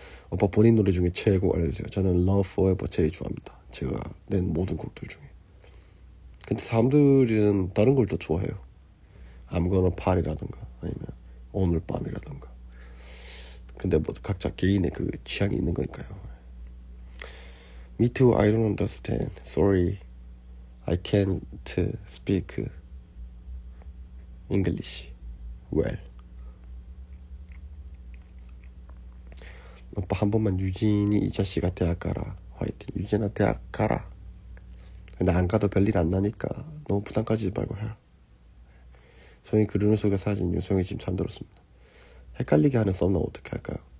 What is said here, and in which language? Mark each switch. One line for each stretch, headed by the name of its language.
Korean: 오빠 본인 노래 중에 최애곡 알려주세요. 저는 Love Forever 제일 좋아합니다. 제가 낸 모든 곡들 중에. 근데 사람들은 다른 걸더 좋아해요. I'm gonna party라던가 아니면 오늘 밤이라던가. 근데 뭐 각자 개인의 그 취향이 있는 거니까요.
English: Me too, I don't understand. Sorry, I can't speak English well.
Korean: 오빠 한 번만 유진이 이 자식아 대학 가라. 화이팅. 유진아 대학 가라. 근데 안 가도 별일 안 나니까 너무 부담 가지지 말고 해라. 소영이 그루노 속에 사진이요. 소영이 지금 잠들었습니다. 헷갈리게 하는 썸남 어떻게 할까요?